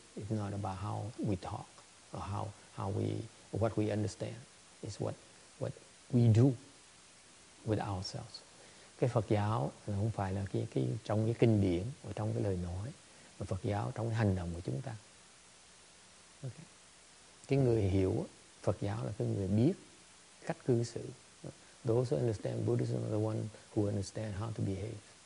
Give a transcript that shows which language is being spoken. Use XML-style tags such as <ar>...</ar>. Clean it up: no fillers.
<en>It's not about how we talk or what we understand. It's what we do with ourselves.</en> <vi>Cái Phật giáo là không phải là cái trong cái kinh điển và trong cái lời nói, mà Phật giáo trong cái hành động của chúng ta. Okay. Cái người hiểu Phật giáo là cái người biết cách cư xử.</vi> <en>Those who understand Buddhism are the one who understand how to behave.</en>